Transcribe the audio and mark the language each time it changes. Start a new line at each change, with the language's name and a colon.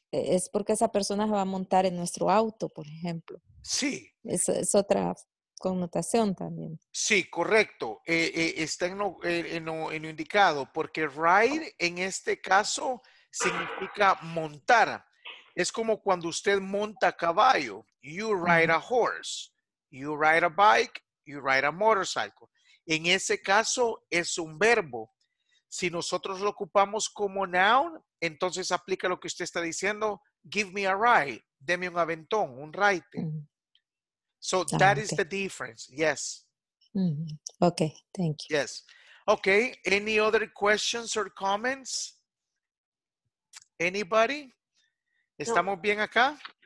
Spanish: Es porque esa persona se va a montar en nuestro auto, por ejemplo. Sí. Es otra connotación también. Sí, correcto. Está en lo indicado, porque ride en este caso significa montar. Es como cuando usted monta caballo.
English: You ride a horse, you ride a bike, you ride a motorcycle.
Spanish: En ese caso es un verbo. Si nosotros lo ocupamos como noun, entonces aplica lo que usted está diciendo.
English: Give me a ride.
Spanish: Deme un aventón, un ride.
English: So that is the difference. Yes. Okay. Thank you. Yes. Okay. Any other questions or comments? Anybody?
Spanish: ¿Estamos bien acá?